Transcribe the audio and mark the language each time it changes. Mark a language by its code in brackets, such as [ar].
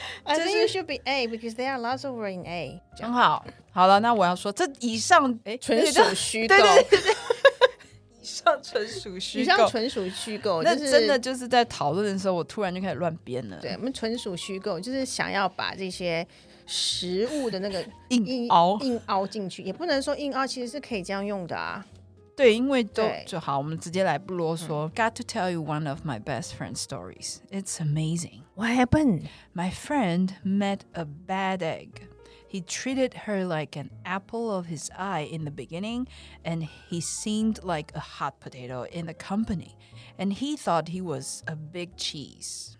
[en] I think you should be A because there are lots of words in A。 [zh] 很好，好了，那我要说这以上纯属虚构。对对对对以上纯属虚构，以上纯属虚构。那真的就是在讨论的时候，我突然就开始乱编了。对，我们纯属虚构，就是想要把这些食物的那个硬凹进去，也不能说硬凹，其实是可以这样用的啊。对，因为都就好，我们直接来不啰嗦。 [en] Got to tell you one of my best friend's stories. It's amazing. What happened? My friend met a bad egg. He treated her like an apple of his eye in the beginning, and he seemed like a hot potato in the company, and he thought he was a big cheese.